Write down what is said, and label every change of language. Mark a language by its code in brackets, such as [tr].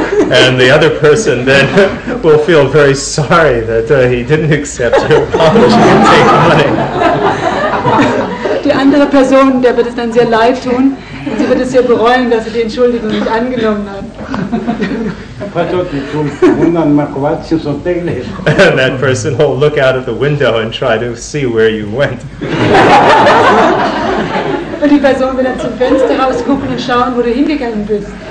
[en] And the other person then will feel very sorry that he didn't accept your apology and take money. [de] Die andere Person, der wird es dann sehr leid tun, und sie wird es sehr bereuen, dass sie die Entschuldigung nicht angenommen hat. [en] And that person will look out of the window and try to see where you went. [de] Und die Person will dann zum Fenster rausgucken und schauen, wo du hingegangen bist.